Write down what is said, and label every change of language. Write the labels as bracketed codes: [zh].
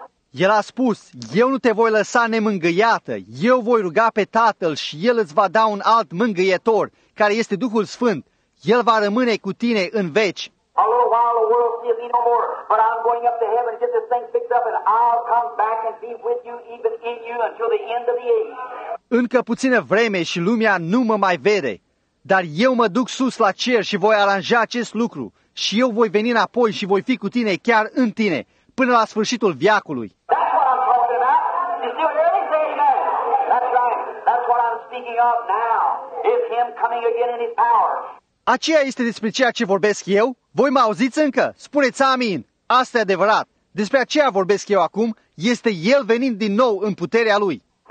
[ro] El a spus, eu nu te voi lăsa nemângâiată, eu voi ruga pe Tatăl și El îți va da un alt mângâietor, care este Duhul Sfânt. El va rămâne cu tine în veci. [en] A little while the world sees me no more, but I'm going up to heaven to get this thing fixed up and I'll come back and be with you, even in you, until the end of the age. [ro] Încă puțină vreme și lumea nu mă mai vede, dar eu mă duc sus la cer și voi aranja acest lucru și eu voi veni înapoi și voi fi cu tine chiar în tine, până la sfârșitul veacului. [en] That's what I'm talking about. You see what you're saying, man? That's right. That's what I'm speaking of now. It's him coming again in his power. [ro] Aceea este despre ceea ce vorbesc eu? Voi mă auziți încă? Spuneți amin! Asta e adevărat! Despre aceea vorbesc eu acum, este El venind din nou în puterea Lui.